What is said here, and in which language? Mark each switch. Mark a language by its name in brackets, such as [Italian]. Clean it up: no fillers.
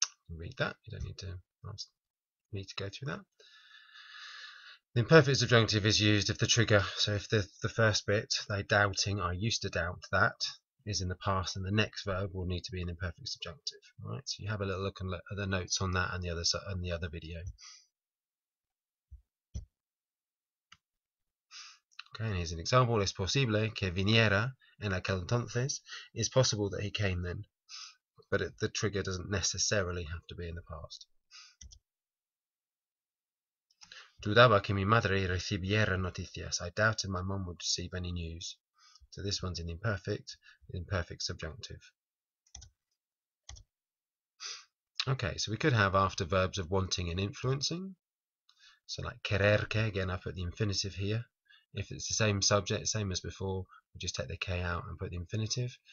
[English] Read that. You don't need to go through that. The imperfect subjunctive is used if the trigger, so if the first bit, they doubting, I used to doubt that, is in the past, and the next verb will need to be an imperfect subjunctive. Right. So you have a little look at the notes on that and the other video. Okay, and here's an example. [Spanish] Es posible que viniera en aquel entonces. [English] It's possible that he came then. But the trigger doesn't necessarily have to be in the past. [Spanish] Dudaba que mi madre recibiera noticias. [English] I doubted my mum would receive any news. So this one's in the imperfect subjunctive. Okay, so we could have after verbs of wanting and influencing. So like querer que, again I put the infinitive here. If it's the same subject, same as before, we just take the K out and put the infinitive.